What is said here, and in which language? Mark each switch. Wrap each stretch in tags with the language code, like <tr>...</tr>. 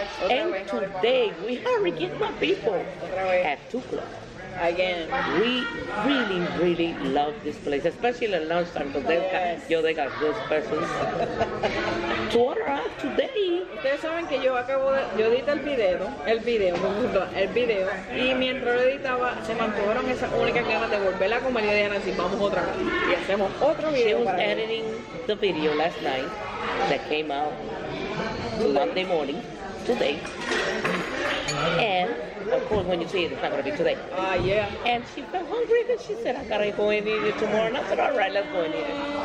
<en>And today, we are again, my people, at Tuklo. Again. We really, really love this place, especially at lunchtime, because they've got, yo, they got good specials. To order up today.</en> <es>Ustedes saben que yo acabo de, yo edité el video, y mientras lo editaba, se mantuvieron esas únicas ganas de volver a comer y dejar así, vamos otra vez. Y hacemos otro video.</es> <en>She was editing the video last night that came out Monday morning. Today, and of course, when you see it, it's not gonna be today. Yeah. And she felt hungry, and she said, "I gotta go and eat it tomorrow." And I said, "All right, let's go and eat it."</en>